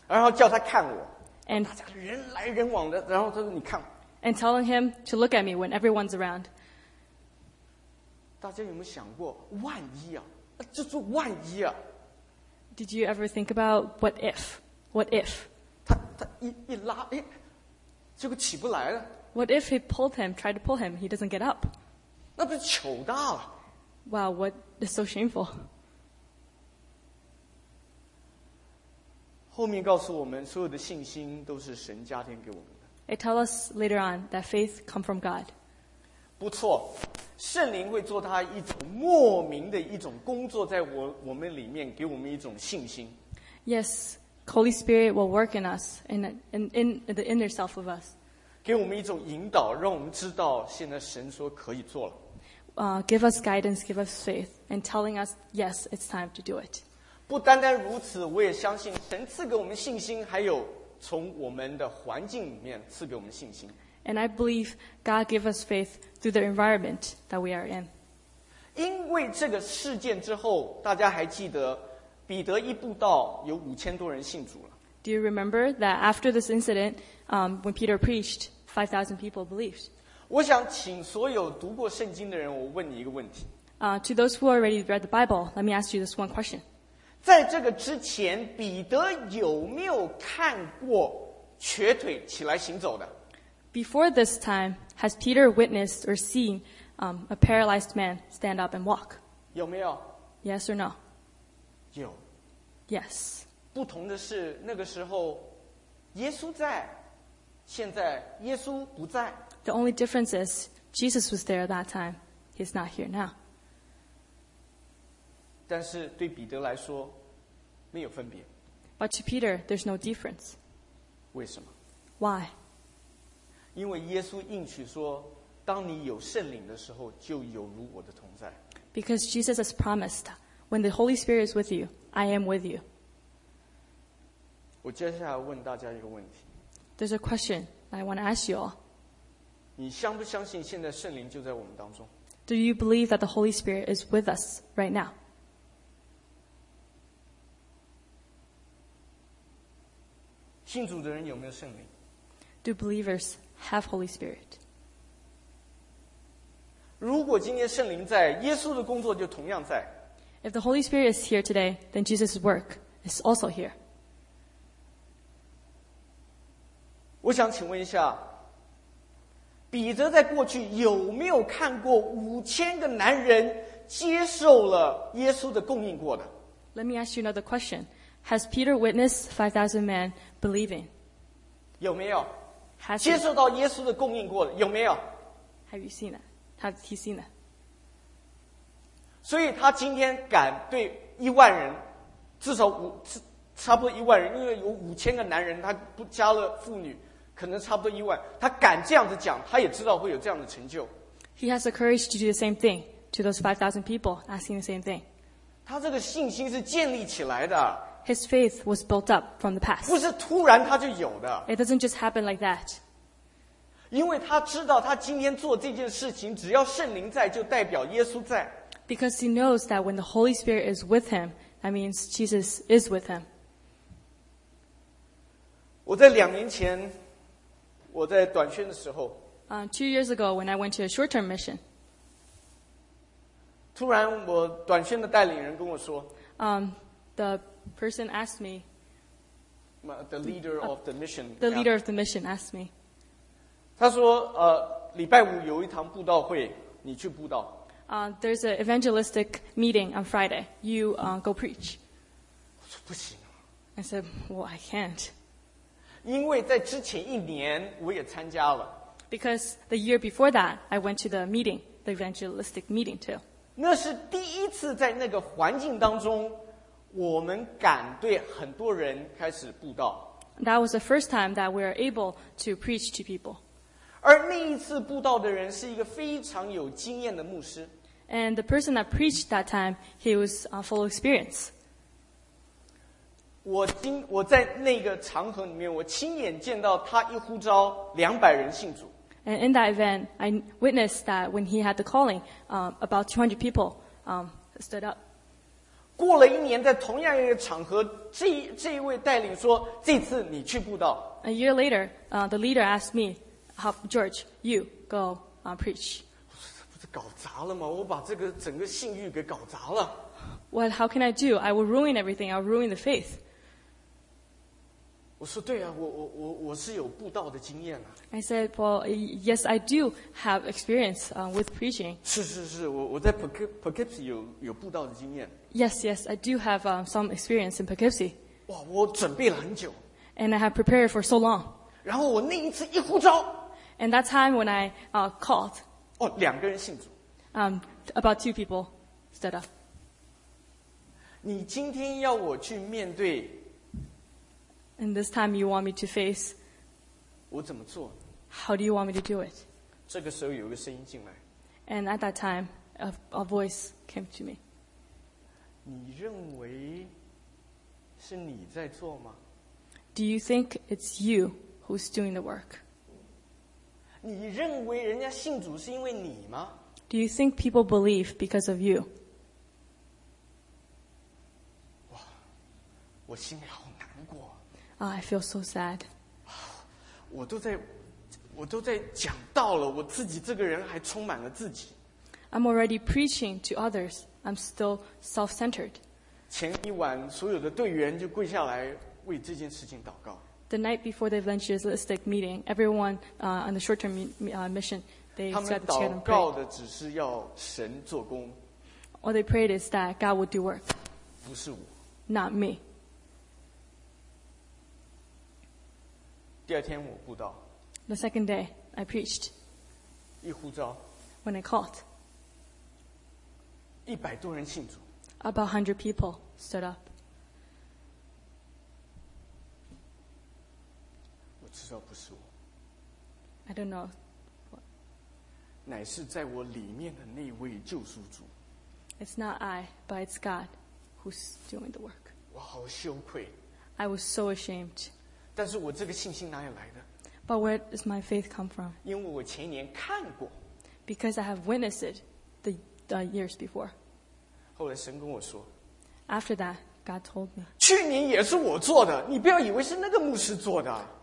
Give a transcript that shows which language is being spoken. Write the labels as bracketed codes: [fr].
[zh] 然后叫他看我。 [en] And, [zh] 大家人来人往的，然后他说你看。 [en] And telling him to look at me when everyone's around. [zh] 大家有没有想过，万一啊，这做万一啊。 [en] Did you ever think about what if? What if? [zh] 他一拉，哎，结果起不来了。 [en] What if he pulled him, tried to pull him, he doesn't get up? [zh] 那不是糗大了。 [en] Wow, what is so shameful? [zh] 后面告诉我们，所有的信心都是神加添给我们的。 [en] It tells us later on that faith comes from God. [zh] 不错，圣灵会做他一种莫名的一种工作在我们里面，给我们一种信心。 [en] Yes, Holy Spirit will work in us and in the inner self of us. [zh] 给我们一种引导，让我们知道现在神说可以做了。 [en] Give us guidance, give us faith, and telling us, yes, it's time to do it. [zh] 不单单如此，我也相信神赐给我们信心，还有从我们的环境里面赐给我们信心。 [en] And I believe God gave us faith through the environment that we are in. [zh] 因为这个事件之后，大家还记得彼得一布道有5000多人信主了。 [en] Do you remember that after this incident, when Peter preached, 5,000 people believed? [zh] 我想请所有读过圣经的人，我问你一个问题。 [en] To those who already read the Bible, let me ask you this one question. [zh] 在这个之前，彼得有没有看过瘸腿起来行走的？ [en] Before this time, has Peter witnessed or seen a paralyzed man stand up and walk? [zh] 有没有？ [en] Yes or no? [zh] 有。 [en] Yes. [zh] 不同的是，那个时候耶稣在，现在耶稣不在。 [en] The only difference is Jesus was there at that time. He's not here now. [zh] 但是对彼得来说，没有分别。 [en] But to Peter, there's no difference. [zh] 为什么？ [en] Why? [zh] 因为耶稣应许说，当你有圣灵的时候，就有如我的同在。 [en] Because Jesus has promised, when the Holy Spirit is with you, I am with you. [zh] 我接下来问大家一个问题。 [en] There's a question I want to ask you all. [zh] 你相不相信现在圣灵就在我们当中？ [en] Do you believe that the Holy Spirit is with us right now? [zh] 信主的人有没有圣灵？ [en] Do believers? Have Holy Spirit. [zh] 如果今天圣灵在，耶稣的工作就同样在。 [en] If the Holy Spirit is here today, then Jesus' work is also here. [zh] 我想请问一下，彼得在过去有没有看过5000个男人接受了耶稣的供应过的？ [en] Let me ask you another question. Has Peter witnessed 5,000 men believing? [zh] 有没有？ [en] Has、 [zh] 接受到耶稣的供应过的有没有 [en] Have you seen it? Have he seen it? [zh] 所以他今天敢对10000人至少差不多10000人因为有5000个男人他不加了妇女可能差不多10000他敢这样子讲他也知道会有这样的成就 [en] He has the courage to do the same thing to those 5,000 people asking the same thing [zh] 他这个信心是建立起来的 [en] His faith was built up from the past. [zh] 不是突然他就有的。 [en] It doesn't just happen like that. [zh] 因为他知道他今天做这件事情，只要圣灵在，就代表耶稣在。 [en] Because he knows that when the Holy Spirit is with him, that means Jesus is with him. [zh] 我在2年前，我在短宣的时候。 [en] 2 years ago, when I went to a short-term mission. [zh] 突然，我短宣的带领人跟我说。 [en] The person asked me the leader of the mission the leader of the mission asked me [zh] 他说礼拜五有一堂布道会你去布道 [en] there's an evangelistic meeting on Friday you go preach [zh] 我说不行 [en] I said well I can't [zh] 因为在之前一年我也参加了 [en] because the year before that I went to the meeting the evangelistic meeting too [zh] 那是第一次在那个环境当中我们敢对很多人开始布道。 [en] That was the first time that we were able to preach to people. [zh] 而那一次布道的人是一个非常有经验的牧师。 [en] And the person that preached that time, he was full of experience. [zh] 我在那个场合里面，我亲眼见到他一呼召200人信主。 [en] And in that event, I witnessed that when he had the calling, about 200 people stood up. [zh] 过了一年在同样一个场合 这一位带领说这次你去布道 [en] A year later,the leader asked me how, George, you go preach [zh] 我说这不是搞砸了吗我把这个整个信誉给搞砸了 [en] Well, how can I do? I will ruin everything I will ruin the faith [zh] 我说对啊 我是有布道的经验、啊、 [en] I said, well, yes, I do have experience with preaching [zh] 是是是 我在 Poughkeepsie 有布道的经验 [en] Yes, yes, I do have some experience in Poughkeepsie. [zh] 哇，我准备了很久。 [en] And I have prepared for so long. [zh] 然后我那一次一呼召。 [en] And that time when I called. [zh] 哦，两个人信主。 [en] About 2 people stood up. [zh] 你今天要我去面对。 [en] And this time you want me to face. [zh] 我怎么做 [en] ？How do you want me to do it? [zh] 这个时候有一个声音进来。 [en] And at that time, a voice came to me. [zh] 你认为是你在做吗 [en] Do you think it's you who's doing the work? [zh] 你认为人家信主是因为你吗？ [en] Do you think people believe because of you? [zh] 哇，我心里好难过。 [en] I feel so sad. [zh] 我都在讲到了，我自己这个人还充满了自己。 [en] I'm already preaching to others. I'm still self-centered. [zh] 前一晚所有的队员就跪下来为这件事情祷告。 [en] The night before the evangelistic meeting, everyone on the short-term mission, they said to pray. [zh] 他们祷告的只是要神做工。 [en] All they prayed is that God would do work. [zh] 不是我。 [en] Not me. [zh] 第二天我布道。 [en] The second day, I preached. [zh] 一呼召。 [en] When I called. [zh] 一百多人信主。 [en] About 100 people stood up. [zh] 我知道不是我。 [en] I don't know. What. [zh] 乃是在我里面的那位救赎主。 [en] It's not I, but it's God who's doing the work. [zh] 我好羞愧。 [en] I was so ashamed. [zh] 但是我这个信心哪里来的？ [en] But where does my faith come from? [zh] 因为我前年看过。 [en] Because I have witnessed it the years before. [zh] 后来神跟我说。 [en] After that, God told me. [zh] 去年也是我做的，你不要以为是那个牧师做的。